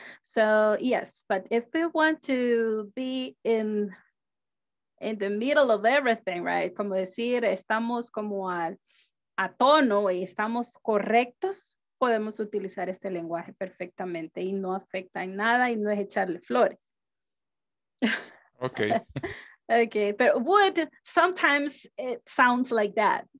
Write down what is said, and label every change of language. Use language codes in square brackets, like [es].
[en] So yes, but if we want to be in the middle of everything, right? [es] Como decir, estamos como a tono y estamos correctos, podemos utilizar este lenguaje perfectamente y no afecta en nada y no es echarle flores. [en] Okay. Okay, pero would, sometimes it sounds like that.